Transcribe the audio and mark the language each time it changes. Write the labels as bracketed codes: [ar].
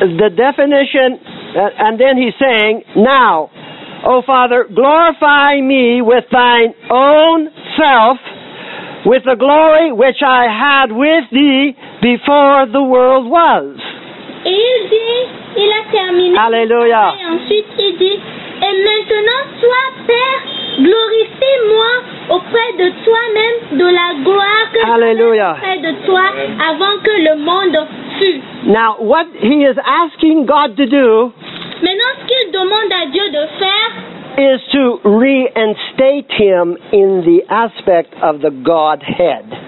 [en] the definition, and then he's saying, now, O Father, glorify me with thine own self, with the glory which I had with thee before the world was. [fr] Et il dit, il a terminé. Alléluia. Et ensuite il dit, et maintenant toi, Père, glorifie-moi auprès de toi-même de la gloire que Alléluia. J'ai auprès de toi avant que le monde fût. [en] Now, what he is asking God to do, [fr] maintenant ce qu'il demande à Dieu de faire, [en] is to reinstate him in the aspect of the Godhead.